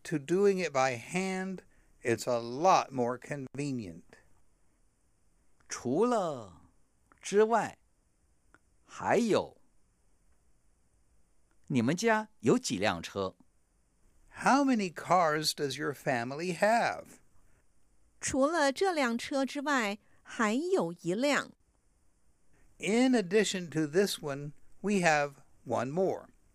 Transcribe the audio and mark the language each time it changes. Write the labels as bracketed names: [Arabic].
[English] to doing it by hand, it's a lot more convenient. [Chinese] 除了之外,还有, 你们家有几辆车? [English] How many cars does your family have? [Chinese] 除了这辆车之外,还有一辆。 [English] In addition to this one, we have one more.